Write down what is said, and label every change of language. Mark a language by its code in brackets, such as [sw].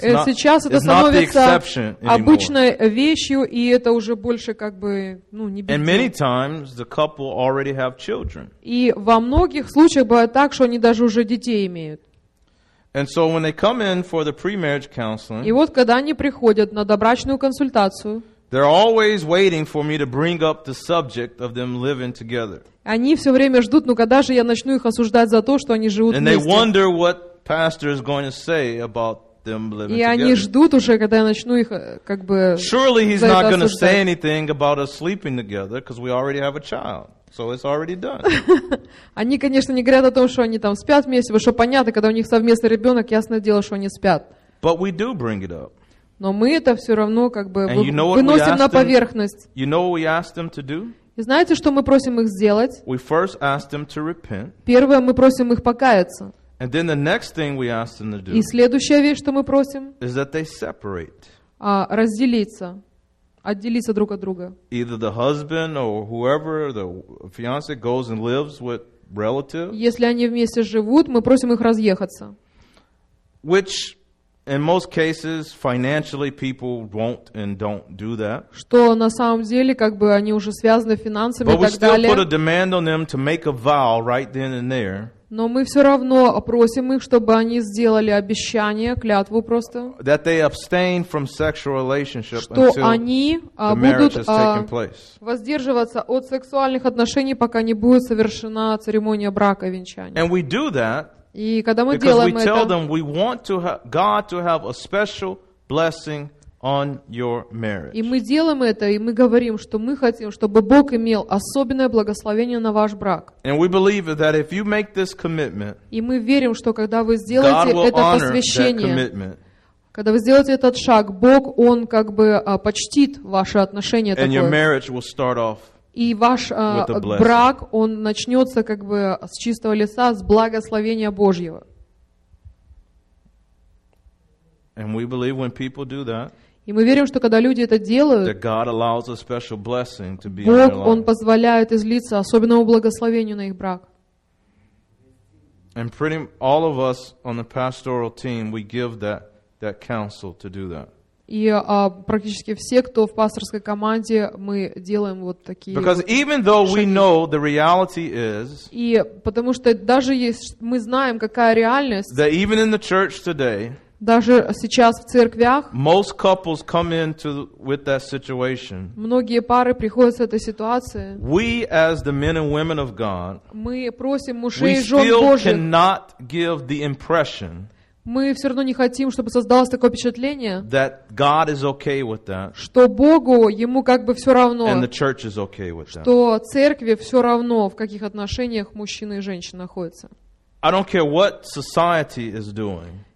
[ru] Сейчас это становится обычной вещью, и это уже больше как бы, ну, не беда. [en] And many times the couple already have children. [ru] И во многих случаях бывает так, что они даже уже детей имеют. [en] And so when they come in for the pre-marriage counseling, [ru] и вот когда они приходят на добрачную консультацию, [en] they're always waiting for me to bring up the subject of them living together. [ru] Они все время ждут, ну когда же я начну их осуждать за то, что они живут вместе. [en] And they wonder what pastor is going to say about them living together. [ru] И они ждут уже, когда я начну их как бы. [en] Surely he's not going to say anything about us sleeping together because we already have a child, so it's already done. [ru] Они, конечно, не говорят о том, что они там спят вместе, потому что понятно, когда у них совместный ребенок, ясное дело, что они спят. [en] But we do bring it up. [ru] Но мы это все равно как бы выносим на поверхность. [en] You know what we ask them to do? [ru] И знаете, что мы просим их сделать? [en] We first ask them to repent. [ru] Первое, мы просим их покаяться. [en] And then the next thing we ask them to do, [ru] и следующая вещь, что мы просим, [en] is that they separate. [ru] Разделиться, отделиться друг от друга. [en] Either the husband or whoever, the fiance, goes and lives with relative. [ru] Если они вместе живут, мы просим их разъехаться. [en] Which, in most cases, financially people won't and don't do that. [ru] Что на самом деле, как бы они уже связаны финансами и так далее. [en] But we still put a demand on them to make a vow right then and there. [ru] Но мы все равно просим их, чтобы они сделали обещание, клятву просто, [en] that they abstain from sexual relationship, [ru] что они будут воздерживаться от сексуальных отношений, пока не будет совершена церемония брака и венчания. [en] And we do that, [ru] и когда мы [en] because [ru] делаем [en] we tell [ru] это, [en] them we want to have God to have a special blessing on your marriage. [ru] И мы делаем это, и мы говорим, что мы хотим, чтобы Бог имел особенное благословение на ваш брак. [en] And we believe that if you make this commitment, [ru] и мы верим, что когда вы сделаете это посвящение, Когда вы сделаете этот шаг, Бог, Он как бы почтит ваши отношения. [en] And your marriage will start off. [ru] И ваш брак, он начнется как бы с чистого лица, с благословения Божьего. [en] And we believe when people do that, [ru] и мы верим, что когда люди это делают, [en] that God allows a special blessing to be [ru] Бог, [en] in their life. [ru] Он позволяет излиться особенному благословению на их брак. [en] And pretty all of us on the pastoral team, we give that counsel to do that. [ru] И практически все, кто в пасторской команде, мы делаем вот такие [en] Because [ru] вот [en] even though [ru] шаги. [en] We know the reality is, [ru] и потому что даже есть, мы знаем, какая реальность, [en] that even in the church today, [ru] даже сейчас в церквях, [en] most couples come into with that situation, [ru] многие пары приходят с этой ситуацией, [en] we as the men and women of God, [ru] мы просим мужей и жен Божьих, [en] we still cannot give the impression, [ru] мы все равно не хотим, чтобы создалось такое впечатление, [en] that God is okay with that, [ru] что Богу ему как бы все равно, [en] and the church is okay with that. [ru] Что церкви все равно, в каких отношениях мужчина и женщина находятся. [en] I don't care what society is doing.